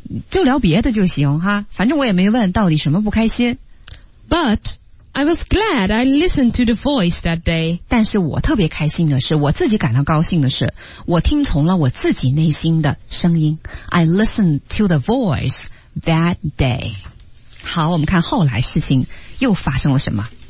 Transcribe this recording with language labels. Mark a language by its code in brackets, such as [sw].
[zh] 就聊别的就行哈，反正我也没问到底什么不开心。 [en] But I was glad I listened to the voice that day. [zh] 但是我特别开心的是，我自己感到高兴的是，我听从了我自己内心的声音。 [en] I listened to the voice that day. [zh] 好，我们看后来事情又发生了什么。